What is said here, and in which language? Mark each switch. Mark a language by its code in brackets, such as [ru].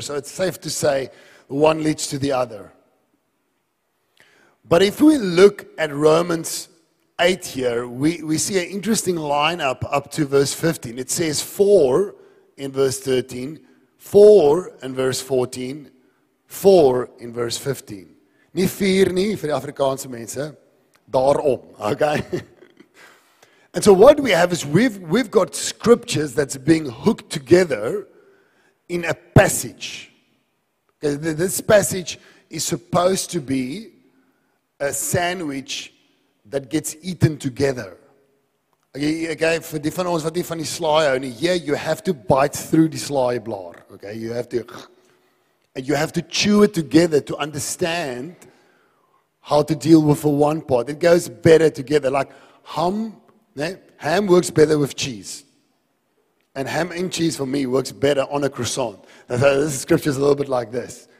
[en] So it's safe to say one leads to the other. But if we look at Romans 8 here, we see an interesting lineup up to verse 15. It says four in verse 13, four in verse 14, four in verse 15. [af] Nie vier nie vir die Afrikaanse mense, daarom, okay? [en] And so what we have is we've got scriptures that's being hooked together in a passage. Okay, this passage is supposed to be a sandwich that gets eaten together. [af] Okay, vir die van ons wat nie van die slaai hou nie. [en] Here, you have to bite through [af] die slaai blaar. [en] Okay, you have to and you have to chew it together to understand how to deal with a one pot. It goes better together. Like ham, né? Ham works better with cheese. And ham and cheese for me works better on a croissant. So this scripture is a little bit like this.